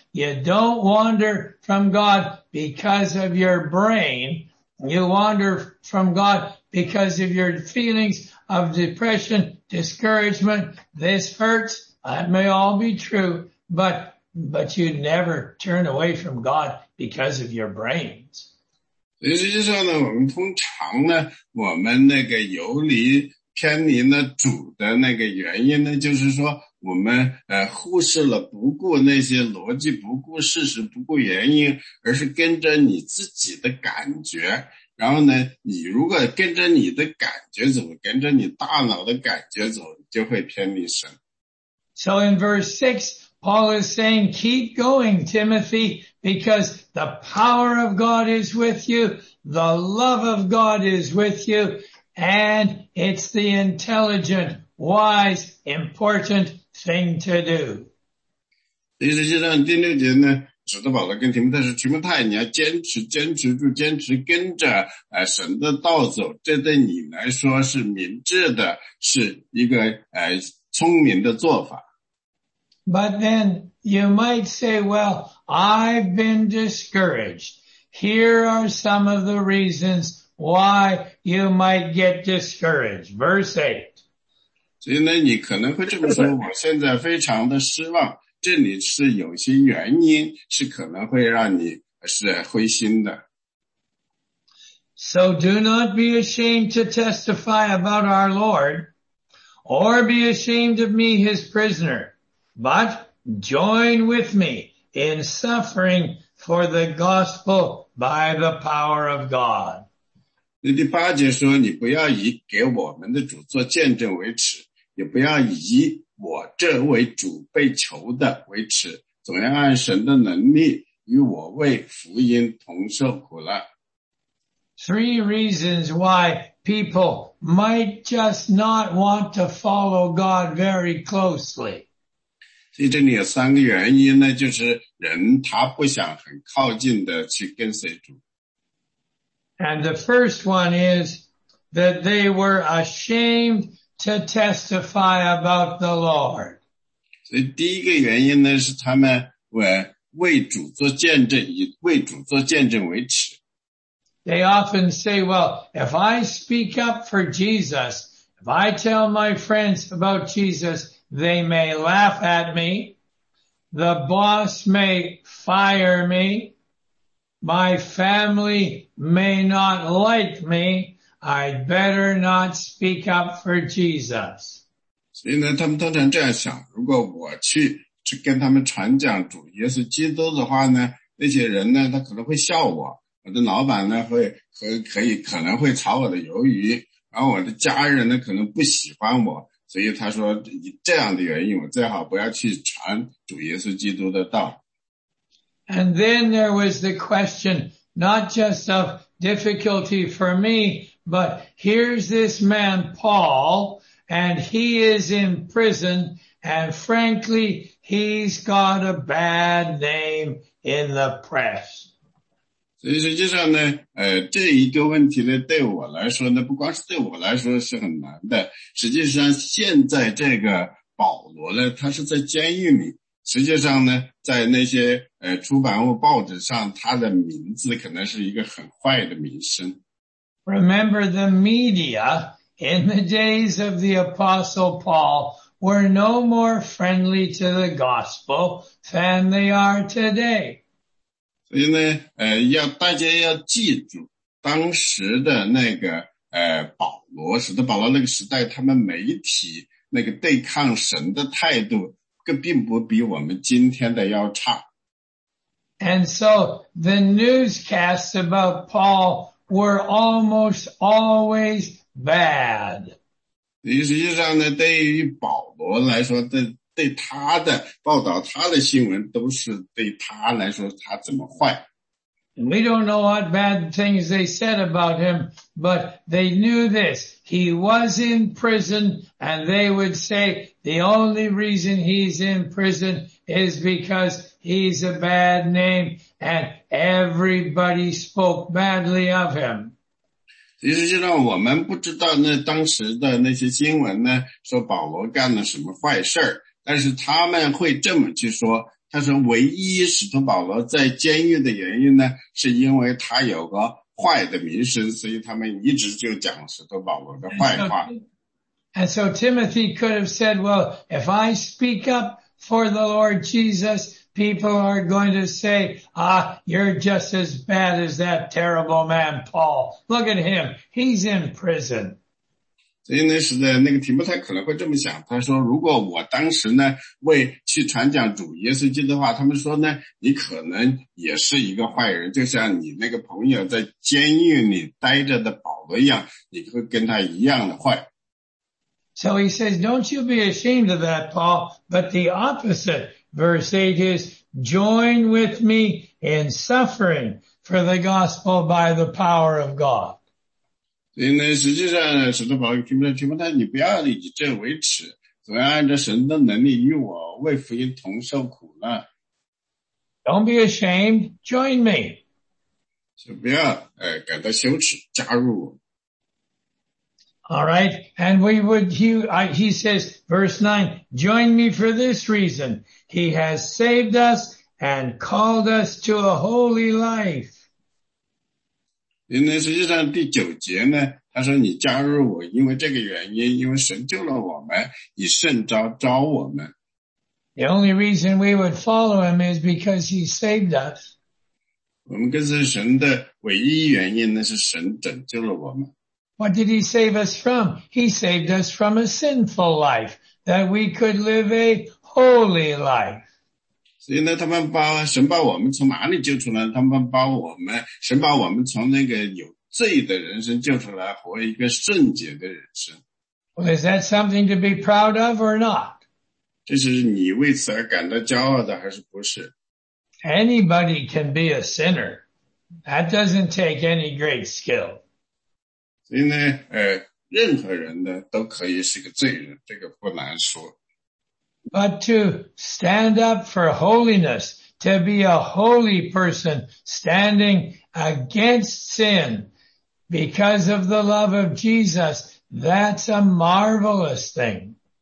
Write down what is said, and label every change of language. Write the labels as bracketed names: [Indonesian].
[English] You don't wander from God because of your brain. You wander from God because of your feelings of depression, discouragement, this hurts. That may all be true, but you never turn away from God because of your brains. [Chinese] 所以实际上呢，我们通常呢，我们那个游离偏离呢主的那个原因呢，就是说我们忽视了不顾那些逻辑，不顾事实，不顾原因，而是跟着你自己的感觉。然后呢，你如果跟着你的感觉走，跟着你大脑的感觉走，就会偏离神。 [English] So in verse 6, Paul is saying, keep going, Timothy, because the power of God is with you, the love of God is with you, and it's the intelligent, wise, important thing to do. [Chinese] 实际上第六节呢，使徒保罗跟提摩太说，提摩太，你要坚持，坚持住，坚持跟着神的道走，这对你来说是明智的，是一个聪明的做法。 [English] But then you might say, well, I've been discouraged. Here are some of the reasons why you might get discouraged. Verse 8. [Chinese] 所以呢，你可能会这么说，我现在非常的失望，这里是有些原因是可能会让你是灰心的。 [English] So do not be ashamed to testify about our Lord, or be ashamed of me, his prisoner. But join with me in suffering for the gospel by the power of God. [Chinese] 第八节说，你不要以给我们的主做见证为耻，也不要以我这为主被囚的为耻，总要按神的能力与我为福音同受苦了。 [English] Three reasons why people might just not want to follow God very closely. [Chinese] 所以这里有三个原因呢，就是人他不想很靠近的去跟随主。 [English] And the first one is that they were ashamed to testify about the Lord. [Chinese] 所以第一个原因呢，是他们为主做见证，以为主做见证为耻。 [English] They often say, well, if I speak up for Jesus, if I tell my friends about Jesus, they may laugh at me, the boss may fire me, my family may not like me, I'd better not speak up for Jesus. [Chinese] 所以呢，他们通常这样想，如果我去跟他们传讲主耶稣基督的话呢，那些人呢，他可能会笑我。我的老板呢会可以可能会炒我的鱿鱼，然后我的家人呢可能不喜欢我，所以他说以这样的原因，我最好不要去传主耶稣基督的道。 [English] And then there was the question, not just of difficulty for me, but here's this man Paul, and he is in prison, and frankly, he's got a bad name in the press. [Chinese] 所以实际上呢，这一个问题呢，对我来说呢，不光是对我来说是很难的。实际上，现在这个保罗呢，他是在监狱里。实际上呢，在那些出版物、报纸上，他的名字可能是一个很坏的名声。 [English] Remember the media in the days of the Apostle Paul were no more friendly to the gospel than they are today. [Chinese] 所以呢，大家要记住，当时的那个保罗，使徒保罗那个时代，他们媒体那个对抗神的态度，并不比我们今天的要差。 [English] And so the newscasts about Paul were almost always bad. [Chinese] 实际上呢，对于保罗来说，对他的报道，他的新闻都是对他来说他怎么坏。 [English] And we don't know what bad things they said about him, but they knew this. He was in prison, and they would say the only reason he's in prison is because he's a bad name, and everybody spoke badly of him. [Chinese] 其实就让我们不知道那当时的那些新闻呢，说保罗干了什么坏事儿。但是他们会这么去说，他说唯一使徒保罗在监狱的原因呢，是因为他有个坏的名声，所以他们一直就讲使徒保罗的坏话。 [English] And so Timothy could have said, well, if I speak up for the Lord Jesus, people are going to say, ah, you're just as bad as that terrible man, Paul. Look at him. He's in prison. [Chinese] 所以呢，是的，那个提摩太可能会这么想。他说，如果我当时呢，为去传讲主耶稣基督的话，他们说呢，你可能也是一个坏人，就像你那个朋友在监狱里待着的保罗一样，你会跟他一样的坏。 [English] So he says, don't you be ashamed of that, Paul, but the opposite, verse 8 is, join with me in suffering for the gospel by the power of God. [Chinese] 所以呢，实际上呢，使徒保罗提摩太，提摩太，你不要以这为耻，总要按照神的能力与我为福音同受苦呢。 [English] Don't be ashamed, join me. [Chinese] 就不要感到羞耻，加入我。 [English] All right, and we would, he says, verse 9, join me for this reason. He has saved us and called us to a holy life. [Chinese] 因为实际上第九节呢，他说你加入我，因为这个原因，因为神救了我们，以圣召召我们。 [English] The only reason we would follow him is because he saved us. [Chinese] 我们跟随神的唯一原因呢，是神拯救了我们。 [English] What did he save us from? He saved us from a sinful life, that we could live a holy life. [Chinese] 所以呢，他们把神把我们从哪里救出来？他们把我们，神把我们从那个有罪的人生救出来，活一个圣洁的人生。 [English] Well, is that something to be proud of or not? [Chinese] 这是你为此而感到骄傲的还是不是？ [English] Anybody can be a sinner. That doesn't take any great skill. [Chinese] 所以呢，任何人呢都可以是个罪人，这个不难说。 [English] But to stand up for holiness, to be a holy person standing against sin because of the love of Jesus, that's a marvelous thing.